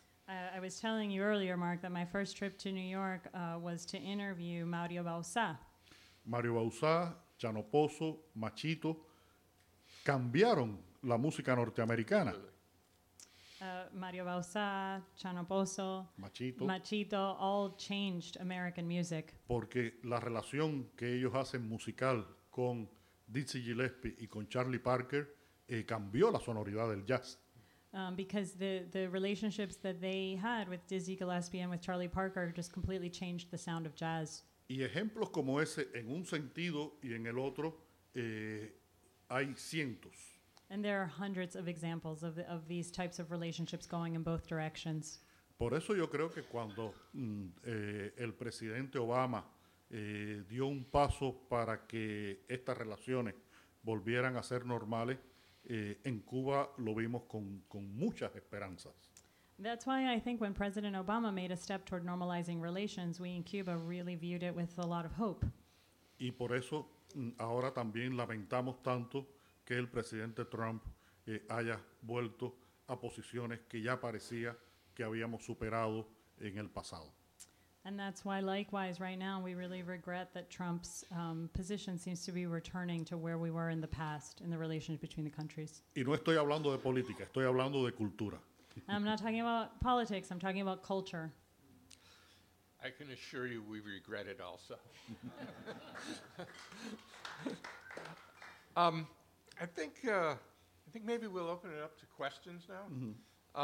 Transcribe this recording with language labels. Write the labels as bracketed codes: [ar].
[en] I was telling you earlier, Mark, that my first trip to New York was to interview Mario Bauzá. [es] Mario Bauzá, Chano Pozo, Machito, cambiaron la música norteamericana. [en] Mario Bauzá, Chano Pozo, Machito, all changed American music. [es] Porque la relación que ellos hacen musical con Dizzy Gillespie y con Charlie Parker cambió la sonoridad del jazz. [en] Because the relationships that they had with Dizzy Gillespie and with Charlie Parker just completely changed the sound of jazz. [es] Y ejemplos como ese en un sentido y en el otro hay cientos. [en] And there are hundreds of examples of these types of relationships going in both directions. [es] Por eso yo creo que cuando el presidente Obama dio un paso para que estas relaciones volvieran a ser normales, en Cuba lo vimos con muchas esperanzas. [en] That's why I think when President Obama made a step toward normalizing relations, we in Cuba really viewed it with a lot of hope. [es] Y por eso ahora también lamentamos tanto que el presidente Trump haya vuelto a posiciones que ya parecía que habíamos superado en el pasado. [en] And that's why, likewise, right now, we really regret that Trump's position seems to be returning to where we were in the past in the relations between the countries. [es] Y no estoy hablando de política, estoy hablando de cultura. [en] I'm not talking about politics, I'm talking about culture. I can assure you we regret it also. I think maybe we'll open it up to questions now.